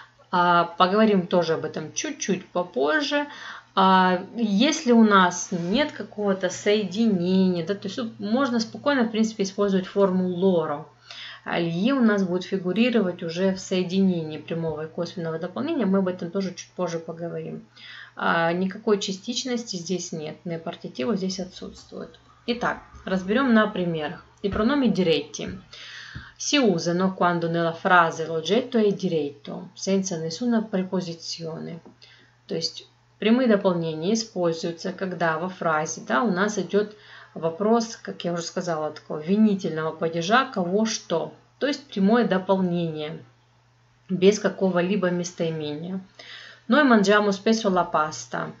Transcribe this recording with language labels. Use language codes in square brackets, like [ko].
[ru] Поговорим тоже об этом чуть-чуть попозже. Если у нас нет какого-то соединения, да, то есть можно спокойно, в принципе, использовать форму лоро. Ли у нас будет фигурировать уже в соединении прямого и косвенного дополнения. Мы об этом тоже чуть позже поговорим. Никакой частичности здесь нет. Непартитива здесь отсутствует. Итак, разберем на примерах. И прономе диретти. [it] Si usano quando nella frase l'oggetto è diretto, senza nessuna preposizione. [ru] То есть прямые дополнения используются, когда во фразе, да, у нас идет вопрос, как я уже сказала, такого винительного падежа, кого что. То есть прямое дополнение без какого-либо местоимения. [it] Noi mangiamo spesso la pasta.